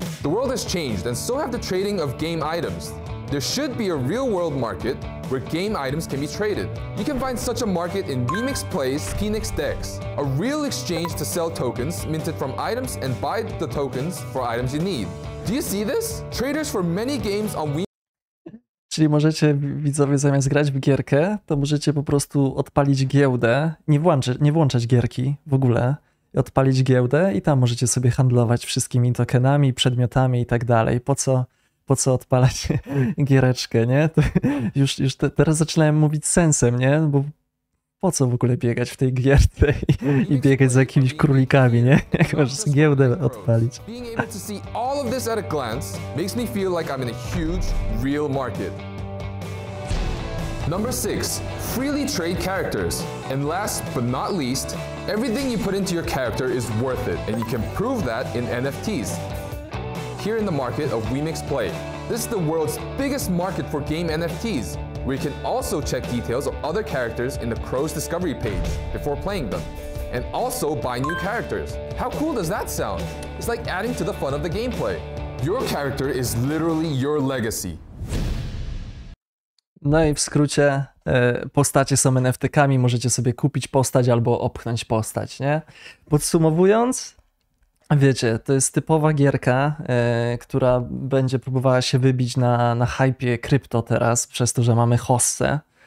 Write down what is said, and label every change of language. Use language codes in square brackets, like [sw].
[en] The world has changed and so have the trading of game items. There should be a real world market where game items can be traded. You can find such a market in Remix Play's Phoenix Dex, a real exchange to sell tokens minted from items and buy the tokens for items you need. Do you see this? Traders for many games on Remix. [pl] Czyli możecie, widzowie, zamiast grać w gierkę, to możecie po prostu odpalić giełdę, nie włączać gierki w ogóle, odpalić giełdę i tam możecie sobie handlować wszystkimi tokenami, przedmiotami i tak dalej. Po co odpalać giereczkę, nie? To już teraz zaczynałem mówić sensem, nie? Bo po co w ogóle biegać w tej gierce i biegać za jakimiś królikami, nie? Jak możesz giełdę odpalić. [en] Being able to see all of this at a glance makes me feel like I'm in a huge real market. Number 6. Freely trade characters. And last but not least, everything you put into your character is worth it and you can prove that in NFTs. Here in the market of Remix Play. This is the world's biggest market for game NFTs, where you can also check details of other characters in the Crow's Discovery page before playing them, and also buy new characters. How cool does that sound? It's like adding to the fun of the gameplay. Your character is literally your legacy. [pl] No i w skrócie, postacie są NFT-kami, możecie sobie kupić postać albo opchnąć postać, nie? Podsumowując, wiecie, to jest typowa gierka, która będzie próbowała się wybić na hypie krypto teraz, przez to, że mamy hossę.